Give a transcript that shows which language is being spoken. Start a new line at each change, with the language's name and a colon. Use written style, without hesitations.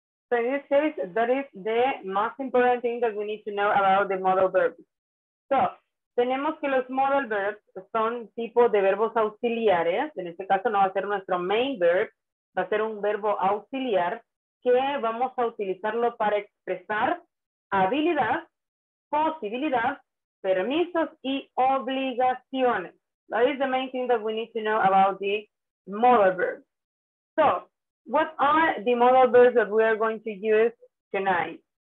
English: So in this case, that is the most important thing that we need to know about the modal verbs.
Spanish: So, tenemos que los modal verbs son tipo de verbos auxiliares. En este caso no va a ser nuestro main verb, va a ser un verbo auxiliar que vamos a utilizarlo para expresar habilidad, posibilidad, permisos y obligaciones.
English: That is the main thing that we need to know about the modal verbs. So, what are the modal verbs that we are going to use tonight?